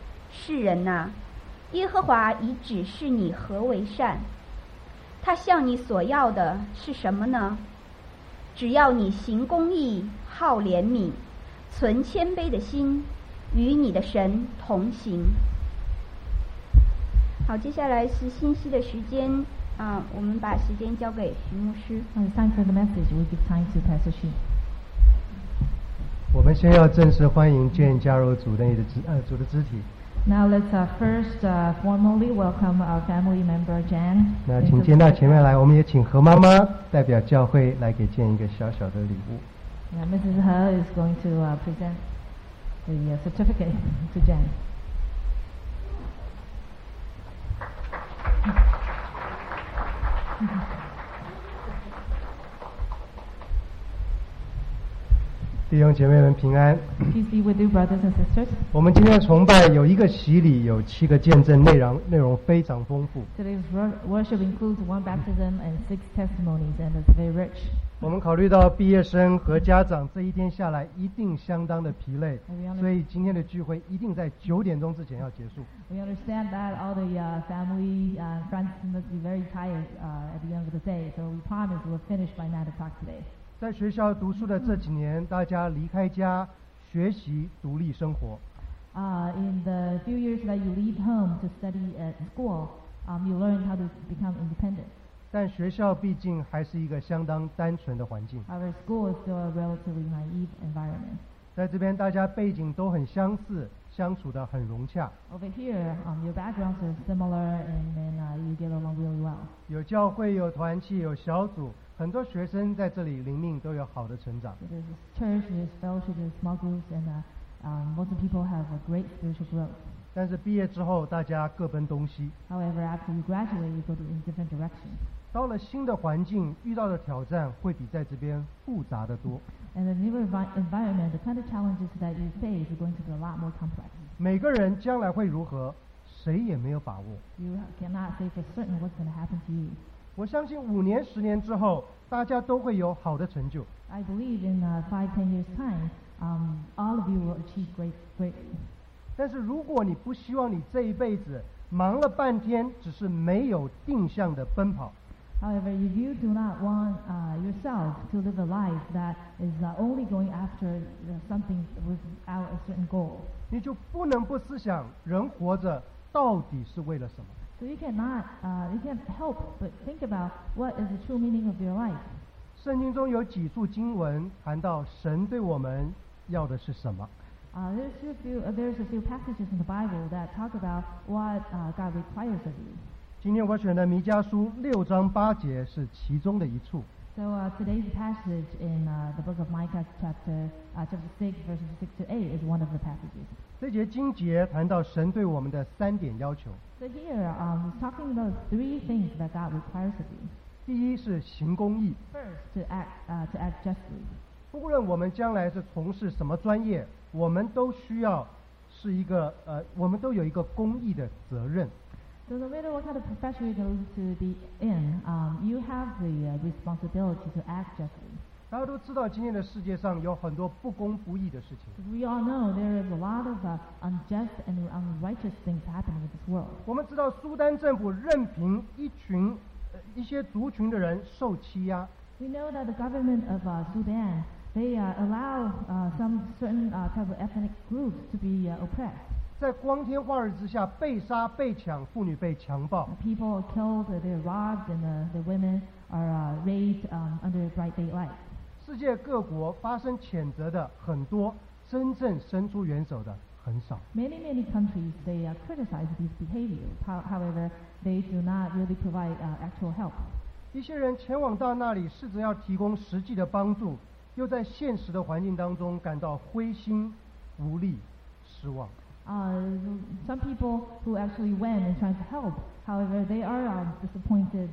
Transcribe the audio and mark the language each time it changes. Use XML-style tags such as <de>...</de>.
<zh>世人呐、啊，耶和华已指示你何为善，他向你所要的是什么呢？只要你行公义，好怜悯，存谦卑的心，与你的神同行。好，接下来是信息的时间啊，我们把时间交给徐牧师。</zh> <en>It's time for the message. We give time to Pastor Xu.</en> <zh>我们先要正式欢迎建加入组内的组的肢体。</zh> <en>Now let's formally welcome our family member Jan.</en> <zh>那请见到前面来，我们也请何妈妈代表教会来给建一个小小的礼物。</zh> <en>Yeah, Mrs. He is going to present the certificate to Jan. Peace be with you, brothers and sisters.</en> <zh>我们今天的崇拜有一个洗礼，有七个见证，内容非常丰富。</zh> <en>Today's worship includes one baptism and six testimonies, and it's very rich.</en> <zh>我们考虑到毕业生和家长这一天下来一定相当的疲累，所以今天的聚会一定在九点钟之前要结束。</zh> <en>We understand that all the family and friends must be very tired at the end of the day, so we promise we'll finish by 9 o'clock today.</en> <zh>在学校读书的这几年，大家离开家学习独立生活。</zh> <en>In the few years that you leave home to study at school, you learn how to become independent.</en> <zh>但学校毕竟还是一个相当单纯的环境。</zh> <en>Our school is still a relatively naive environment.</en> <zh>在这边大家背景都很相似，相处得很融洽。</zh> <en>Over here, your backgrounds are similar, and then you get along really well.</en> <zh>有教会，有团契，有小组。很多学生在这里灵命都有好的成长。</zh> <en>Church, fellowship, small groups, and most people have a great spiritual growth.</en> <zh>但是毕业之后，大家各奔东西。</zh> <en>However, after you graduate, you go in different directions.</en> <zh>到了新的环境，遇到的挑战会比在这边复杂的多。</zh> <en>And the new environment, the kind of challenges that you face are going to be a lot more complex.</en> <zh>每个人将来会如何，谁也没有把握。</zh> <en>You cannot say for certain what's going to happen to you.</en> <zh>我相信五年、十年之后，大家都会有好的成就。</zh> <en>I believe in five, 10 years time, all of you will achieve great.</en> <zh>但是如果你不希望你这一辈子忙了半天，只是没有定向的奔跑。</zh> <en>However, if you do not want yourself to live a life that is only going after something without a certain goal,</en> <zh>你就不能不思想人活着到底是为了什么。</zh> <en>So you cannot, you can't help but think about what is the true meaning of your life.</en> <zh>圣经中有几处经文谈到神对我们要的是什么。</zh> <en>There's a few passages in the Bible that talk about what God requires of you.</en> <zh>今天我选的弥迦书六章八节是其中的一处。</zh> <en>So today's passage in the book of Micah chapter 6 verses 6 to 8 is one of the passages.</en> <zh>这节经节谈到神对我们的三点要求。</zh> <en>So here, he's talking about three things that God requires of you.</en> <zh>第一是行公义。</zh> <en>First, to act justly.</en> <zh>不论我们将来是从事什么专业，我们都需要是一个我们都有一个公义的责任。</zh> <en>So no matter what kind of profession you're going to be in, you have the responsibility to act justly.</en> <zh>大家都知道今天的世界上有很多不公不义的事情。</zh> <en>We all know there is a lot of unjust and unrighteous things happening in this world.</en> <zh>我们知道苏丹政府任凭一些族群的人受欺压。</zh> <en>We know that the government of Sudan, they allow some certain type of ethnic groups to be oppressed.</en> <zh>在光天化日之下被杀被抢，妇女被强暴。</zh> <en>People are killed, they're robbed, and the women are raped under bright daylight.</en> <zh>世界各国发生谴责的很多，真正伸出援手的很少。</zh> <en>Many countries they criticize these behaviors. However, they do not really provide actual help.</en> <zh>一些人前往到那里，试着要提供实际的帮助，又在现实的环境当中感到灰心、无力、失望。</zh> <en>Some people who actually went and tried to help, however, they are disappointed.</en>